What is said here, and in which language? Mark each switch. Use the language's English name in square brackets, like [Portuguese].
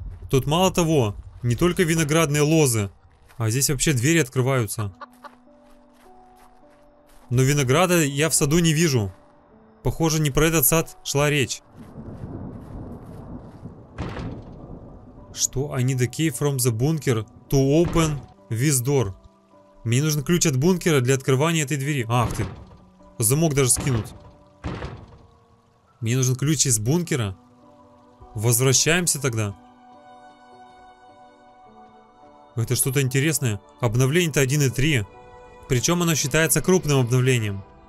[Russian] Тут мало того, не только виноградные лозы, а здесь вообще двери открываются. Но винограда я в саду не вижу. Похоже, не про этот сад шла речь. Что? [English] I need a key from the bunker to open this door. [Russian] Мне нужен ключ от бункера для открывания этой двери. Ах ты. Замок даже скинут. Мне нужен ключ из бункера. Возвращаемся тогда. Это что-то интересное. Обновление-то 1.3. Причем оно считается крупным обновлением.